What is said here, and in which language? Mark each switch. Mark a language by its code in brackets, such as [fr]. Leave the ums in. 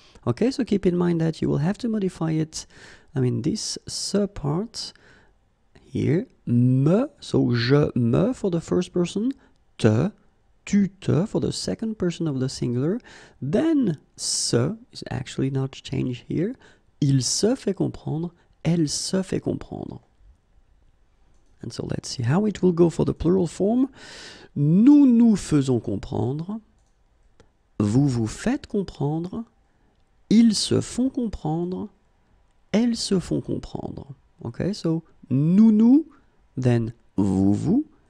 [en] OK So keep in mind that you will have to modify it. I mean, this se part here, me, so je me for the first person, te, pour for the second person of the singular, then se is actually not changed here. [fr] Il se fait comprendre, elle se fait comprendre. [en] And so let's see how it will go for the plural form. [fr] Nous nous faisons comprendre. Vous vous faites comprendre. Ils se font comprendre. Elles se font comprendre. [en] Okay, so nous nous, then vous vous.